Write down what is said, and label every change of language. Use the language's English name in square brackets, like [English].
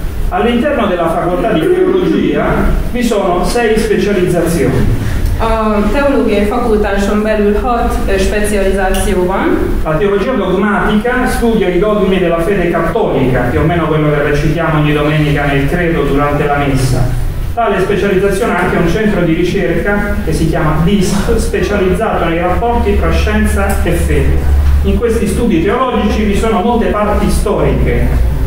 [Italian] All'interno della facoltà di teologia vi sono 6 specializzazioni. [Hungarian] A teológiai fakultáson belül 6 specializáció van. [Italian] La teologia dogmatica studia i dogmi della fede cattolica, più o meno quello che recitiamo ogni domenica nel credo durante la messa. Tale specializzazione ha anche un centro di ricerca che si chiama DISP, specializzato nei rapporti tra scienza e fede. In questi studi teologici vi sono molte parti storiche.